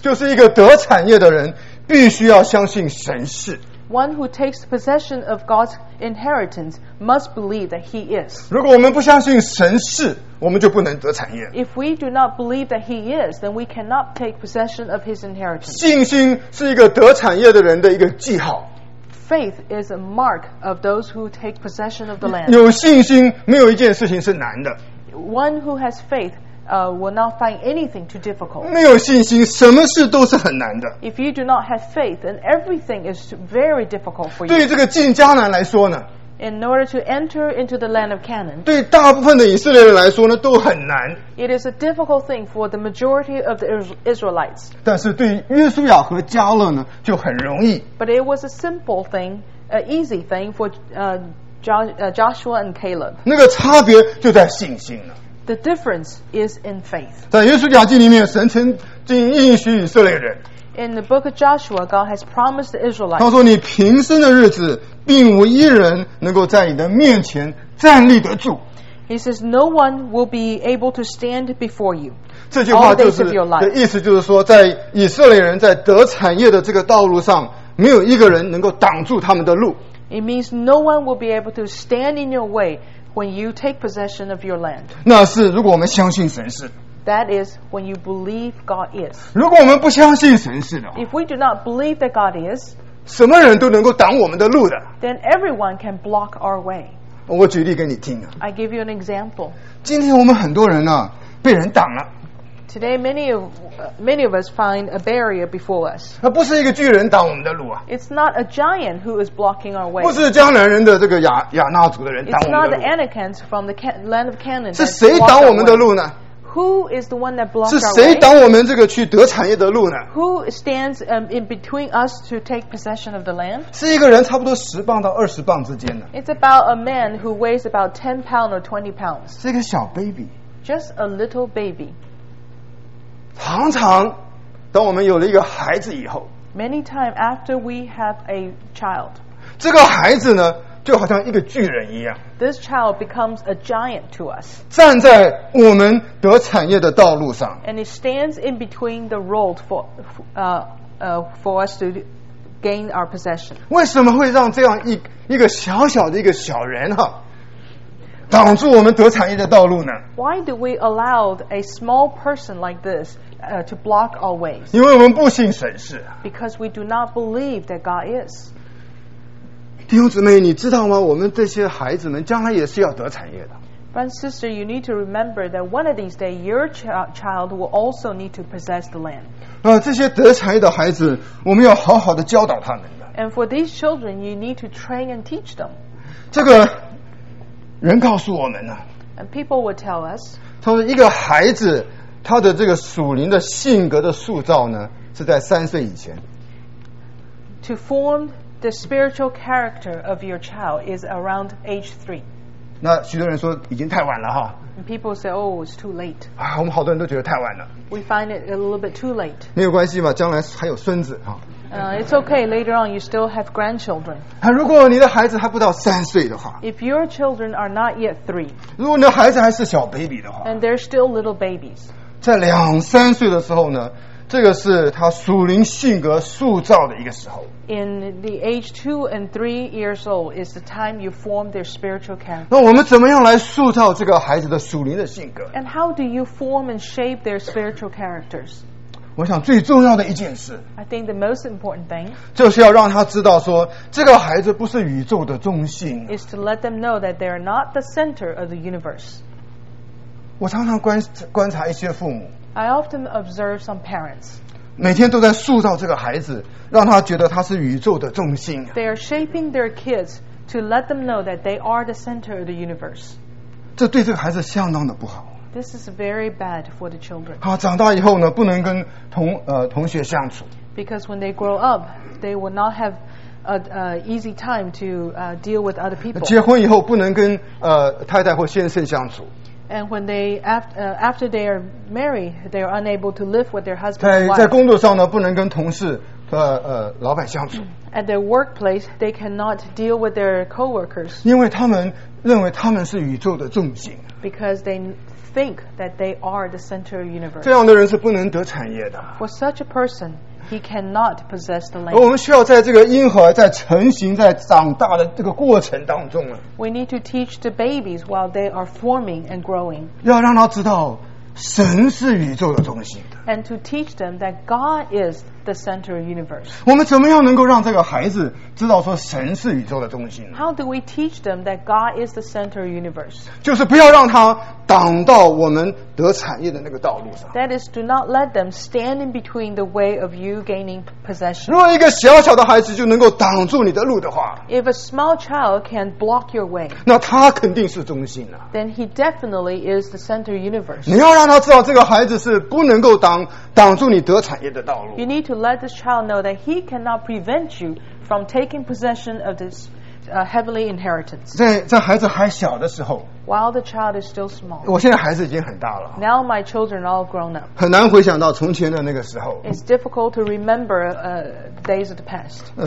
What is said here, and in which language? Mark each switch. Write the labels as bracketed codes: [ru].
[zh] 就是一个得产业的人必须要相信神是。 [en] One who takes possession of God's inheritance must believe that He is. [zh] 如果我们不相信神是，我们就不能得产业。 [en] If we do not believe that He is, then we cannot take possession of His inheritance. [zh] 信心是一个得产业的人的一个记号。 [en] Faith is a mark of those who take possession of the land. [zh] 有信心，没有一件事情是难的。 [en] One who has faith. Will not find anything too difficult. [zh] 没有信心，什么事都是很难的。 [en] If you do not have faith, then everything is very difficult for you. [zh] 对于这个进迦南来说呢？ [en] In order to enter into the land of Canaan, [zh] 对大部分的以色列人来说呢，都很难。 [en] It is a difficult thing for the majority of the Israelites. [zh] 但是对于约书亚和加勒呢，就很容易。 [en] But it was a simple thing, an easy thing for Joshua and Caleb. [zh] 那个差别就在信心了。 [en] The difference is in faith. [zh] 在约书亚记里面，神曾经应许以色列人。 [en] In the book of Joshua, God has promised the Israelites. [zh] 他说：“你平生的日子，并无一人能够在你的面前站立得住。” [en] He says, "No one will be able to stand before you." [zh] 这句话就是的意思，就是说，在以色列人在得产业的这个道路上，没有一个人能够挡住他们的路。 [en] It means no one will be able to stand in your way. When you take possession of your land, [zh] 那是如果我们相信神是。 [en] That is when you believe God is. [zh] 如果我们不相信神是的话， [en] If we do not believe that God is, [zh] 什么人都能够挡我们的路的。 [en] Then everyone can block our way. [zh] 我举例给你听啊。 [en] I give you an example. [zh] 今天我们很多人呢、啊，被人挡了。 [en] Today, many of us find a barrier before us. [zh] 那不是一个巨人挡我们的路啊。 [en] It's not a giant who is blocking our way. [zh] 不是迦南人的这个亚纳族的人挡我们的路。 [en] It's not the Anakans from the land of Canaan. [zh] 是谁挡我们的路呢？ [en] Who is the one that blocks our way? [zh] 是谁挡我们这个去得产业的路呢？ [en] Who stands in between us to take possession of the land? [zh] 是一个人差不多十磅到二十磅之间的。 [en] It's about a man who weighs about 10 pounds or 20 pounds. [zh] 是一个小 baby. [en] Just a little baby. [zh] 常常当我们有了一个孩子以后 [en] Many times after we have a child [zh] 这个孩子呢就好像一个巨人一样 [en] This child becomes a giant to us [zh] 站在我们得产业的道路上 [en] And it stands in between the road for us to gain our possession [zh] 为什么会让这样一个小小的一个小人哈挡住我们得产业的道路呢 [en] Why do we allow a small person like this to block our ways? [zh] 因为我们不信神是 [en] Because we do not believe that God is. [zh] 弟兄姊妹，你知道吗？我们这些孩子们将来也是要得产业的。 [en] Friend, sister, you need to remember that one of these days, your child will also need to possess the land. [zh] 这些得产业的孩子，我们要好好的教导他们的。 [en] And for these children, you need to train and teach them. [zh] 这个。人告诉我们呢、啊、 [en] And people would tell us [zh] 他说一个孩子他的这个属灵的性格的塑造呢是在三岁以前 [en] To form the spiritual character of your child is around age 3. [zh] 那许多人说已经太晚了哈。 [en] And people say, oh, it's too late. [zh] 啊，我们好多人都觉得太晚了。 [en] We find it a little bit too late. [zh] 没有关系嘛，将来还有孙子哈。 [en] It's okay, later on you still have grandchildren. [zh] 如果你的孩子还不到三岁的话， [en] If your children are not yet 3, [zh] 如果你的孩子还是小 baby 的话， [en] And they're still little babies. [zh] 在两三岁的时候呢，这个是他属灵性格塑造的一个时候。 [en] In the age 2 and 3 years old is the time you form their spiritual character. [zh] 那我们怎么样来塑造这个孩子的属灵的性格？ [en] And how do you form and shape their spiritual characters? [zh] 我想最重要的一件事， [en] I think the most important thing, [zh] 就是要让他知道说，这个孩子不是宇宙的中心。 [en] Is to let them know that they are not the center of the universe. [zh] 我常常观察一些父母。 [en] I often observe some parents. [zh] 每天都在塑造这个孩子，让他觉得他是宇宙的中心。 [en] They are shaping their kids to let them know that they are the center of the universe. [zh] 这对这个孩子相当的不好。 [en] This is very bad for the children. [zh] 他长大以后呢，不能跟同学相处。 [en] Because when they grow up, they will not have an easy time to deal with other people. [zh] 结婚以后不能跟太太或先生相处。 [en] And when they after they are married, they are unable to live with their husband. [zh] 在工作上呢，不能跟同事老板相处。 [en] At their workplace, they cannot deal with their coworkers. [zh] 因为他们认为他们是宇宙的中心。 [en] Because they think that they are the center of the universe. [zh] 这样的人是不能得产业的。 [en] For such a person, he cannot possess the land. [zh] 我们需要在这个婴儿在成型、在长大的这个过程当中啊。 [en] We need to teach the babies while they are forming and growing. [zh] 要让他知道神是宇宙的中心的。 [en] And to teach them that God is the center of the universe. [zh] 我们怎么样能够让这个孩子知道说神是宇宙的中心呢？ [en] How do we teach them that God is the center of the universe? [zh] 就是不要让他挡到我们得产业的那个道路上。 [en] That is, do not let them stand in between the way of you gaining possession. [zh] 如果一个小小的孩子就能够挡住你的路的话， [en] If a small child can block your way, [zh] 那他肯定是中心啊。 [en] Then he definitely is the center of the universe. [zh] 你要让他知道这个孩子是不能够挡住你得产业的道路。 [en] You need to let this child know that he cannot prevent you from taking possession of this heavenly inheritance. [zh] 在孩子还小的时候， [en] While the child is still small. [zh] 我现在孩子已经很大了。 [en] Now my children are all grown up. [zh] 很难回想到从前的那个时候。 [en] It's difficult to remember days of the past.